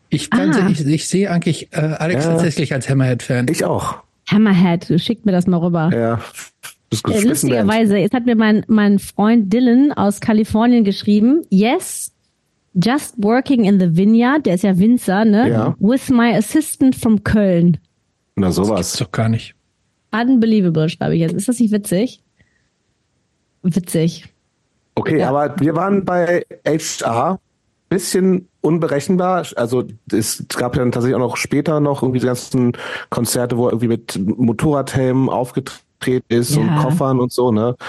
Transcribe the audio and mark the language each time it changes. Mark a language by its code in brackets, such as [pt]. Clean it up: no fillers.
[de] Ich sehe eigentlich Alex tatsächlich als Hammerhead-Fan. Ich auch. Hammerhead, schick mir das mal rüber. Ja. Lustigerweise, jetzt hat mir mein Freund Dylan aus Kalifornien geschrieben, [en] yes, just working in the vineyard, [de] der ist ja Winzer, ne? Ja. [en] With my assistant from Köln. [de] Na sowas. Das gibt's doch gar nicht. Unbelievable, schreibe ich jetzt. Ist das nicht witzig? Witzig. Okay, ja. Aber wir waren bei HR ein bisschen unberechenbar. Also es gab ja dann tatsächlich auch noch später noch irgendwie die ganzen Konzerte, wo er irgendwie mit Motorradhelmen aufgetreten ist, ja, und Koffern und so, ne?